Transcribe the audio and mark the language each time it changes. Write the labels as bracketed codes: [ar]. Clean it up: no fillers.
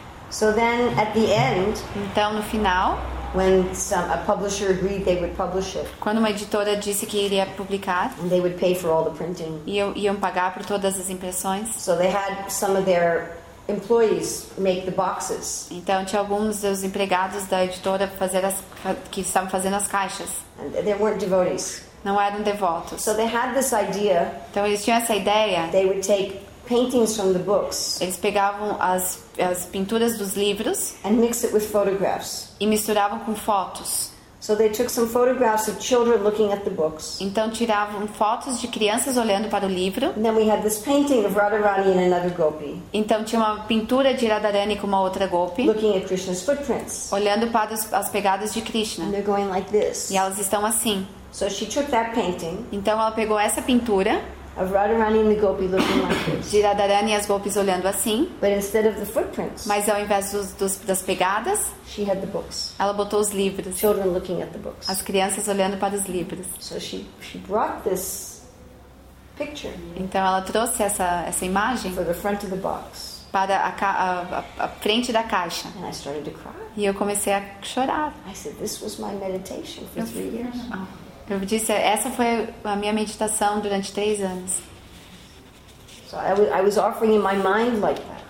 [en] So then, at the end, [pt] então, no final, [en] when a publisher agreed they would publish it, [pt] quando uma editora disse que iria publicar, [en] and they would pay for all the printing, [pt] iam pagar por todas as impressões. [en] So they had some of their employees make the boxes. [pt] Então tinha alguns dos empregados da editora que estavam fazendo as caixas. [en] And they weren't devotees. [pt] Não eram devotos. [en] So they had this idea. [pt] Então eles tinham essa ideia. [en] They would take paintings from the books. [pt] Eles pegavam as pinturas dos livros [en] and mix it with photographs. [pt] E misturavam com fotos. [en] So they took some photographs of children looking at the books. [pt] Então tiravam fotos de crianças olhando para o livro. [en] And then we had this painting of Radharani and another gopi. [pt] Então tinha uma pintura de Radharani com uma outra gopi. [en] Looking at Krishna's footprints. [pt] Olhando para as pegadas de Krishna. [en] And they're going like this. [pt] E elas estão assim. [en] So she took that painting. [pt] Então ela pegou essa pintura. [en] Of Radharani and the gopi looking like this. [pt] De Radharani e as gopis olhando assim. [en] But instead of the footprints, [pt] mas ao invés das pegadas, [en] she had the books. [pt] Ela botou os livros. [en] Children looking at the books. [pt] As crianças olhando para os livros. [en] So she brought this picture. [pt] Então ela trouxe essa imagem [en] for the front of the box. [pt] Para a frente da caixa. [en] And I started to cry. [pt] E eu comecei a chorar. [en] I said, this was my meditation for 3 years. Oh. [pt] Eu disse, essa foi a minha meditação durante 3 anos. [en] So I was offering in my mind like that.